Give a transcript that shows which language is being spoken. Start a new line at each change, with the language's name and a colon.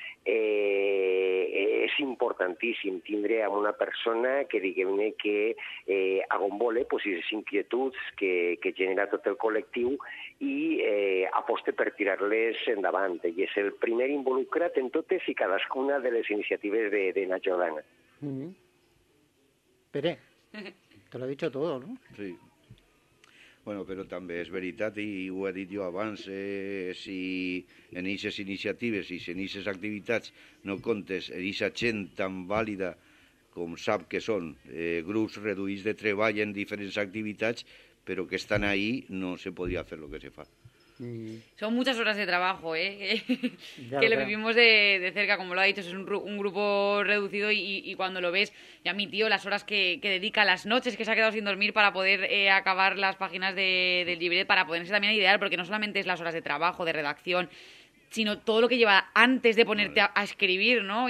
Catalan: És importantíssim tindre a una persona que diguem-ne que a on vole posi les inquietuds que genera tot el col·lectiu i aposte per tirar-les endavant. I és el primer involucrat en totes i cadascuna de les iniciatives de Natxordana. Mm-hmm.
Spanish: Pere, te lo he dicho todo, ¿no? Sí.
Catalan: Bueno, però també és veritat, i ho he dit jo abans, si en aquestes iniciatives i si en aquestes activitats no comptes en aquesta gent tan vàlida com sap que són grups reduïts de treball en diferents activitats, però que estan ahí, no se podria fer el que se fa.
Spanish: Son muchas horas de trabajo, que lo vivimos de cerca, como lo ha dicho, es un grupo reducido y cuando lo ves, ya mi tío, las horas que dedica, las noches que se ha quedado sin dormir para poder acabar las páginas del libret, para poderse también idear, porque no solamente es las horas de trabajo, de redacción, sino todo lo que lleva antes de ponerte a escribir, ¿no?